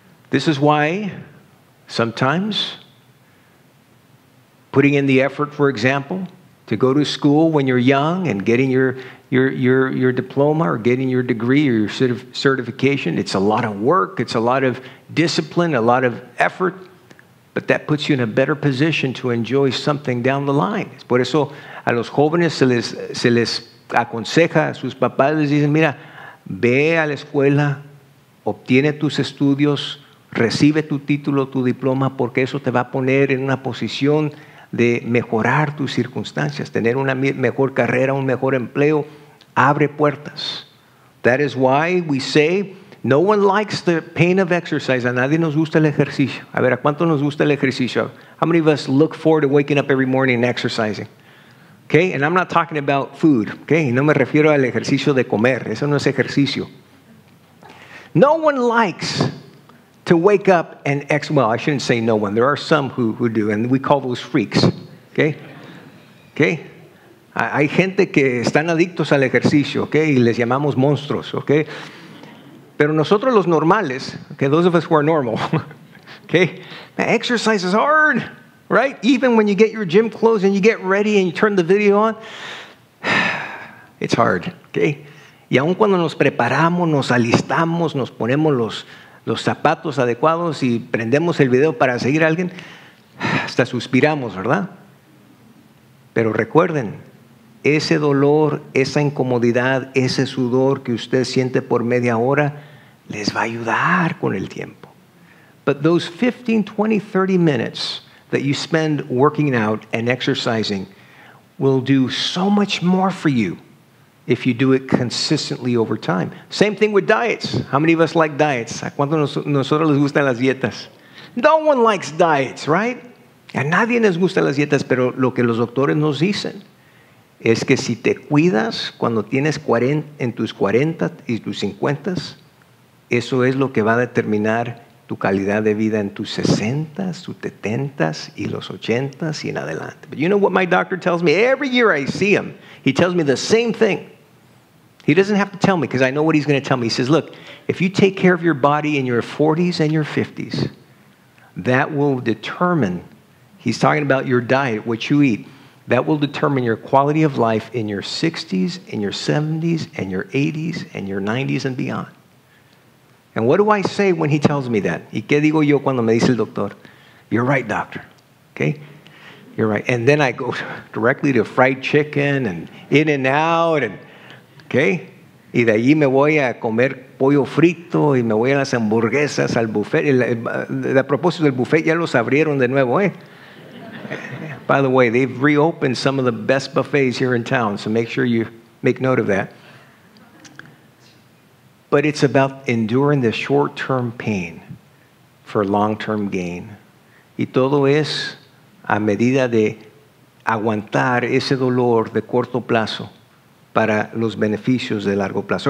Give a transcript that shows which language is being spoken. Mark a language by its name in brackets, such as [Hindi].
[English] This is why sometimes putting in the effort, for example, to go to school when you're young and getting your diploma or getting your degree or your certification, it's a lot of work, it's a lot of discipline, a lot of effort, but that puts you in a better position to enjoy something down the line. [Spanish] Por eso a los jóvenes se les aconseja, a sus papás les dicen, mira, ve a la escuela, obtiene tus estudios, recibe tu título, tu diploma, porque eso te va a poner en una posición de mejorar tus circunstancias, tener una mejor carrera, un mejor empleo, abre puertas. [English] That is why we say, no one likes the pain of exercise. [Spanish] A nadie nos gusta el ejercicio. A ver, ¿a cuánto nos gusta el ejercicio? [English] How many of us look forward to waking up every morning and exercising? Okay, and I'm not talking about food. [Spanish] Okay, no me refiero al ejercicio de comer. Eso no es ejercicio. [English] No one likes to wake up and well, I shouldn't say no one. There are some who do, and we call those freaks. Okay? Okay? [Spanish] Hay gente que están adictos al ejercicio, okay? Y les llamamos monstruos, okay? Pero nosotros los normales, okay, [English] those of us who are normal, [Spanish] okay? [English] Now, exercise is hard, right? Even when you get your gym clothes and you get ready and you turn the video on, it's hard, okay? [Spanish] Y aun cuando nos preparamos, nos alistamos, nos ponemos los zapatos adecuados y prendemos el video para seguir a alguien, hasta suspiramos, ¿verdad? Pero recuerden, ese dolor, esa incomodidad, ese sudor que usted siente por media hora, les va a ayudar con el tiempo. [English] But those 15, 20, 30 minutes that you spend working out and exercising will do so much more for you if you do it consistently over time. Same thing with diets. How many of us like diets? [Spanish] ¿A cuánto nosotros les gustan las dietas? [English] No one likes diets, right? [Spanish] A nadie les gusta las dietas, pero lo que los doctores nos dicen es que si te cuidas cuando tienes 40, en tus 40 y tus 50, eso es lo que va a determinar tu calidad de vida en tus 60, tus 70 y los 80 y en adelante. [English] But you know what my doctor tells me? Every year I see him, he tells me the same thing. He doesn't have to tell me because I know what he's going to tell me. He says, look, if you take care of your body in your 40s and your 50s, that will determine, he's talking about your diet, what you eat, that will determine your quality of life in your 60s, in your 70s, and your 80s, and your 90s, and beyond. And what do I say when he tells me that? [Spanish] ¿Y qué digo yo cuando me dice el doctor? [English] You're right, doctor. Okay? You're right. And then I go directly to fried chicken and In-N-Out. And okay? [Spanish] Y de allí me voy a comer pollo frito y me voy a las hamburguesas al buffet. A propósito del buffet, ya los abrieron de nuevo, eh? [English] By the way, they've reopened some of the best buffets here in town, so make sure you make note of that. But it's about enduring the short-term pain for long-term gain. [Spanish] Y todo es a medida de aguantar ese dolor de corto plazo para los beneficios de largo plazo.